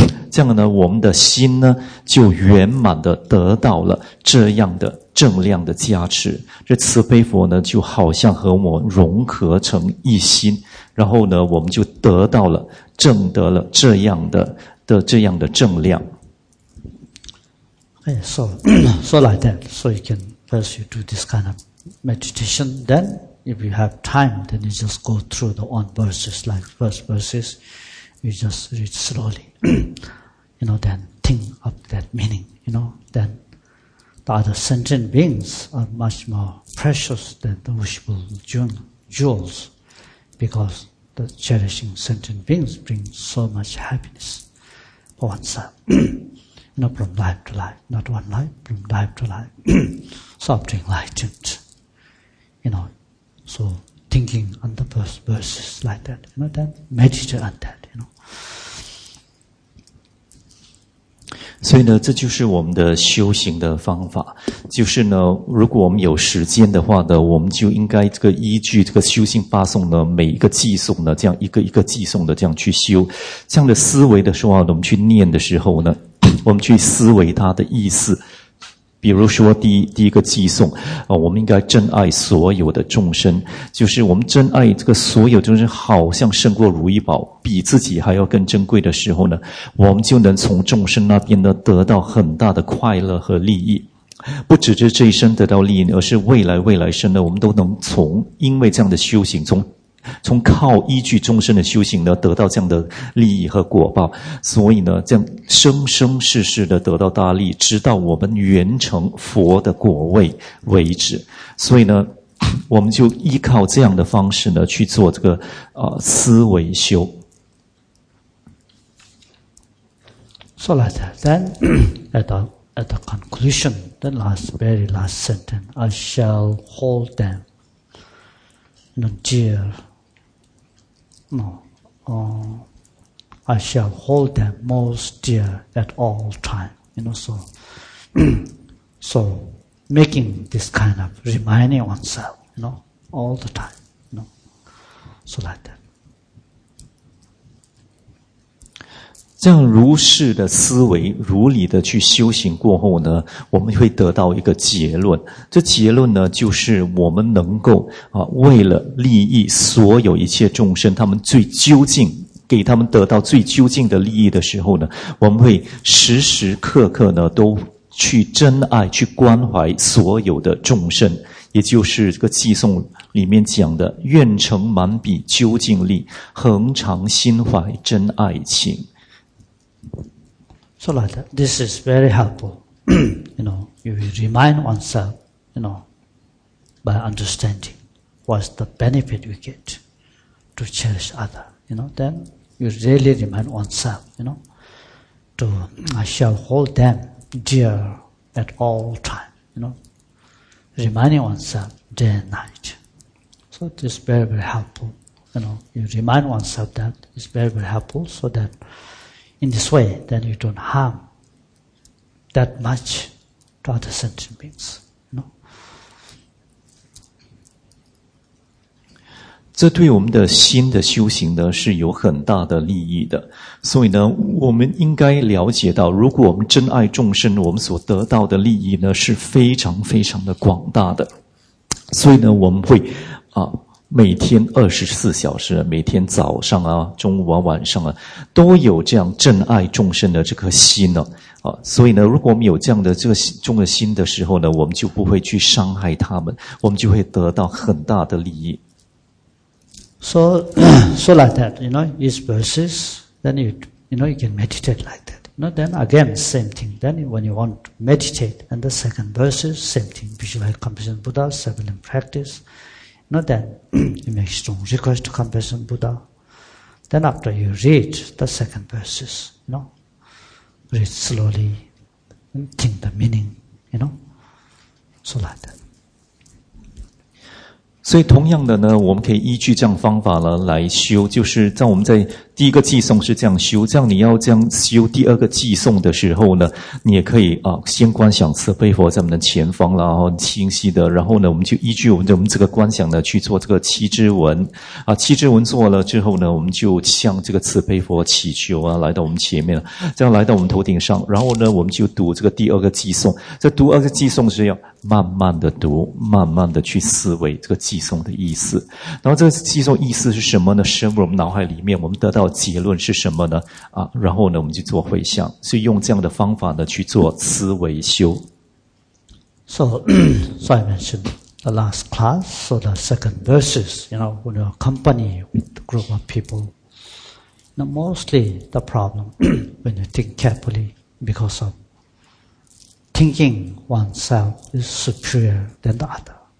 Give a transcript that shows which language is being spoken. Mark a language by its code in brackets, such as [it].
[zh] 这样呢，我们的心呢就圆满的得到了这样的正量的加持。这慈悲佛呢，就好像和我融合成一心，然后呢，我们就得到了正得了这样的这样的正量。 [en] Okay, so like that. So you can first you do this kind of meditation. Then, if you have time, then you just go through the one verses, like first verses. You just read slowly. You know, then think of that meaning, you know, then the other sentient beings are much more precious than the wishful jewels because the cherishing sentient beings bring so much happiness for oneself, you know, from life to life, not one life, from life to life. So after enlightened, you know, so thinking on the first verses like that, you know, then meditate on that, you know. [zh] 所以呢，这就是我们的修行的方法。就是呢，如果我们有时间的话呢，我们就应该这个依据这个修行八颂呢，每一个偈颂呢，这样一个一个偈颂的这样去修。这样的思维的时候呢，我们去念的时候呢，我们去思维它的意思。比如说第一个偈颂我们应该珍爱所有的众生，就是我们珍爱这个所有众生好像胜过如意宝，比自己还要更珍贵的时候呢，我们就能从众生那边呢得到很大的快乐和利益。不只是这一生得到利益，而是未来生呢，我们都能从因为这样的修行，从靠依据众生的修行呢得到这样的利益和果报。所以呢，这样生生世世的得到大利，直到我们圆成佛的果位为止。所以呢，我们就依靠这样的方式呢去做这个思维修。 [en] So like that, then at the conclusion, the last very last sentence, I shall hold them, not dear. I shall hold them most dear at all time. You know, so making this kind of reminding oneself, you know, all the time, you know, so like that. [zh] 这样如是的思维，如理的去修行过后呢，我们会得到一个结论。这结论呢，就是我们能够为了利益所有一切众生，他们最究竟给他们得到最究竟的利益的时候呢，我们会时时刻刻呢都去珍爱、去关怀所有的众生。也就是这个偈颂里面讲的“愿成满彼究竟力，恒常心怀真爱情”。 [en] So like that, this is very helpful. You know, you will remind oneself, you know, by understanding what's the benefit we get to cherish other. You know, then you really remind oneself, you know, to I shall hold them dear at all times, you know, reminding oneself day and night. So this is very, very helpful. You know, you remind oneself that it's very, very helpful so that in this way, then you don't harm that much to other sentient beings. No? [zh] 这对我们的心的修行呢是有很大的利益的。所以呢我们应该了解到如果我们真爱众生我们所得到的利益呢是非常非常的广大的。所以呢我们会啊每天24小时每天早上啊中午啊晚上啊都有这样正爱众生的这颗心呢 啊所以呢如果我们有这样的这个众的心的时候呢我们就不会去伤害他们我们就会得到很大的利益。 [en] So like that, you know, each verses, then you know, you can meditate like that. You know, then again, same thing. Then when you want to meditate, and the second verses, same thing. Visualize compassion Buddha, seven in practice. No, then you make strong request to compassion Buddha. Then after you read the second verses, you know, read slowly and think the meaning, you know, so like that. [zh] 所以同样的呢我们可以依据这样方法呢来修就是在我们在第一个偈颂是这样修这样你要这样修第二个偈颂的时候呢你也可以啊先观想慈悲佛在我们的前方然后清晰的然后呢我们就依据我们这个观想呢去做这个七支文啊七支文做了之后呢我们就向这个慈悲佛祈求啊来到我们前面这样来到我们头顶上然后呢我们就读这个第二个偈颂这读二个偈颂是要慢慢的读慢慢的去思维这个偈颂的意思然后这个偈颂意思是什么呢深入我们脑海里面我们得到到结论是什么呢？啊，然后呢，我们就做回向，所以用这样的方法呢去做思维修。 [en] So I mentioned the last class, so the second verses, you know, when you accompany with a group of people, now mostly the problem when you think carefully because of thinking oneself is superior than the other.